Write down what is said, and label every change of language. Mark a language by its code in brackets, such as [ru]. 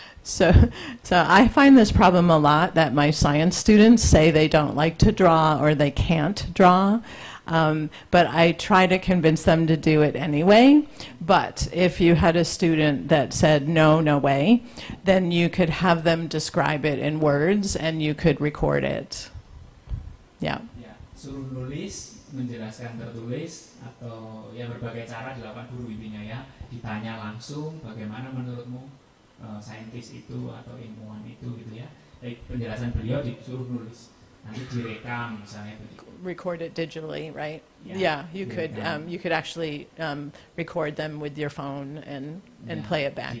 [en] So I find this problem a lot that my science students say they don't like to draw or they can't draw. But I try to convince them to do it anyway. But if you had a student that said, no way, then you could have them describe it in words and you could record it. [id] Suruh nulis, menjelaskan tertulis, atau ya berbagai cara dilakukan guru intinya ya, ditanya langsung bagaimana menurutmu saintis itu atau ilmuwan itu gitu ya, penjelasan beliau disuruh nulis, nanti direkam misalnya. [en] Record it digitally, right? You could actually record them with your phone and play it back.